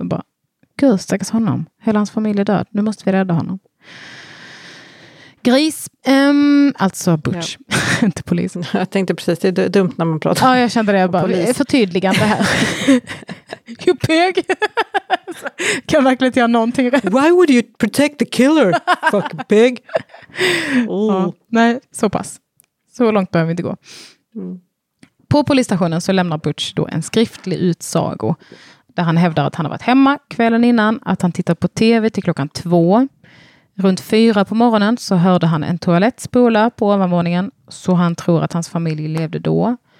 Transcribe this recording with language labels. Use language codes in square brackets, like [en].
[sv] Och bara, gud, stackars honom. Hela hans familj är död. Nu måste vi rädda honom. Gris, alltså Butch, ja. Inte polisen. Jag tänkte precis, det är dumt när man pratar. Ja, jag kände det. Jag bara, det är förtydligande här. [en] You pig. [sv] Kan verkligen inte göra någonting rätt. [en] Why would you protect the killer, fuck pig? [sv] Oh. Ja, nej, så pass. Så långt behöver vi inte gå. Mm. På polisstationen så lämnar Butch då en skriftlig utsago. Där han hävdar att han har varit hemma kvällen innan. Att han tittar på tv till 2. Runt 4 på morgonen så hörde han en toalettspola på ovanvåningen, så han tror att hans familj levde då.